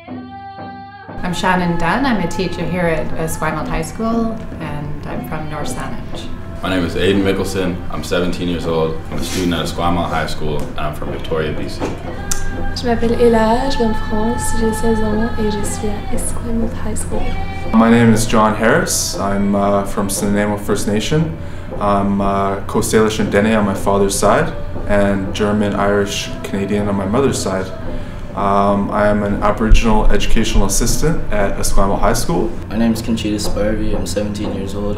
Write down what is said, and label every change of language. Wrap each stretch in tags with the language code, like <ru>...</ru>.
<en>I'm Shannon Dunn. I'm a teacher here at Esquimalt High School, and I'm from North Saanich. My name is Aiden Mickelson. I'm 17 years old. I'm a student at Esquimalt High School, and I'm from Victoria, BC.</en> <fr>Je m'appelle Ella. Je viens de France. J'ai 16 ans, et je suis à Esquimalt High School.</fr> <en>My name is John Harris. I'm from Suriname First Nation. I'm Coast Salish and Dene on my father's side, and German, Irish, Canadian on my mother's side. I am an Aboriginal Educational Assistant at Esquimalt High School. My name is Conchita Sparvey. I'm 17 years old.</en>